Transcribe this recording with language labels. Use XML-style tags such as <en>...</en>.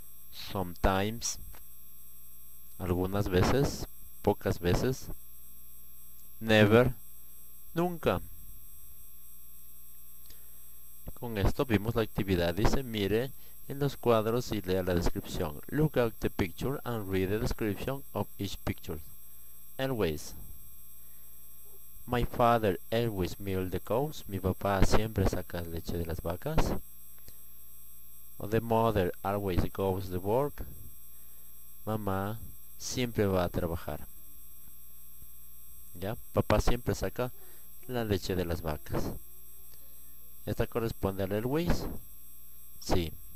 <en>Sometimes,</en> <es>algunas veces, pocas veces.</es> <en>Never,</en> <es>nunca. Con esto vimos la actividad. Dice, mire en los cuadros y lea la descripción.</es> <en>Look at the picture and read the description of each picture. Always. My father always milks the cows.</en> <es>Mi papá siempre saca leche de las vacas.</es> <en>The mother always goes to work.</en> <es>Mamá siempre va a trabajar. ¿Ya? Papá siempre saca la leche de las vacas. ¿Esta corresponde al always? Sí.</es>